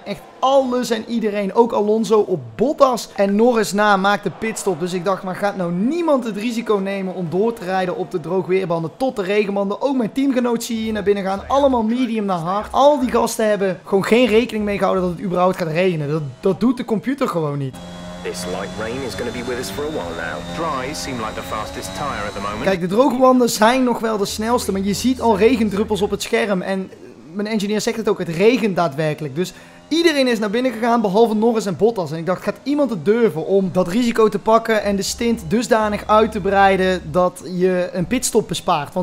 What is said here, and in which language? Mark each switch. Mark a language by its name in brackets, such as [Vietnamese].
[Dutch] Maar echt alles en iedereen, ook Alonso op Bottas en Norris na, maakte pitstop. Dus ik dacht, maar gaat nou niemand het risico nemen om door te rijden op de droogweerbanden tot de regenbanden? Ook mijn teamgenoot zie je hier naar binnen gaan, allemaal medium naar hard. Al die gasten hebben gewoon geen rekening mee gehouden dat het überhaupt gaat regenen. Dat doet de computer gewoon niet. [English] This light rain is going to be with us for a while now. Dry seem like the fastest tire at the moment. [Dutch] Kijk, de droge banden zijn nog wel de snelste, maar je ziet al regendruppels op het scherm. En mijn engineer zegt het ook, het regent daadwerkelijk. Dus iedereen is naar binnen gegaan, behalve Norris en Bottas. En ik dacht, gaat iemand het durven om dat risico te pakken en de stint dusdanig uit te breiden dat je een pitstop bespaart?